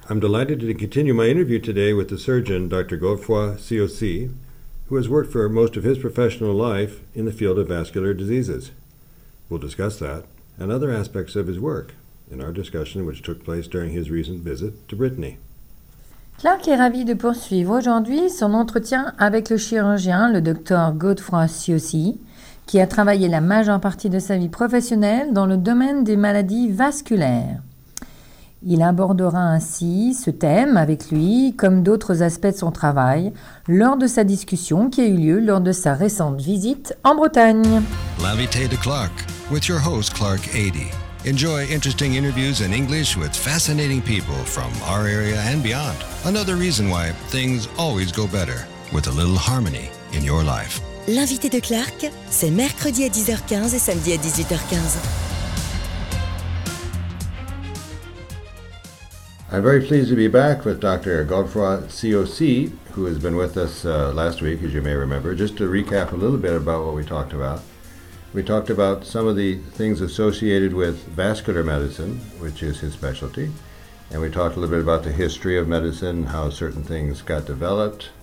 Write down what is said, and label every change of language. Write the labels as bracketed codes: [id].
[en] I'm delighted to continue my interview today with the surgeon, Dr. Godefroy COC, who has worked for most of his professional life in the field of vascular diseases. We'll discuss that and other aspects of his work in our discussion, which took place during his recent visit to Brittany. [fr] Clark est ravi de poursuivre aujourd'hui son entretien avec le chirurgien, le Dr. Godefroy COC, qui a travaillé la majeure partie de sa vie professionnelle dans le domaine des maladies vasculaires. Il abordera ainsi ce thème avec lui, comme d'autres aspects de son travail, lors de sa discussion qui a eu lieu lors de sa récente visite en Bretagne. [en] L'invité de Clark, with your host Clark Ady. Enjoy interesting interviews in English with fascinating people from our area and beyond. Another reason why things always go better with a little harmony in your life. [fr] L'invité de Clark, c'est mercredi à 10h15 et samedi à 18h15. [en] I'm very pleased to be back with Dr. Godefroy COC, who has been with us last week, as you may remember. Just to recap a little bit about what we talked about some of the things associated with vascular medicine, which is his specialty, and we talked a little bit about the history of medicine, how certain things got developed.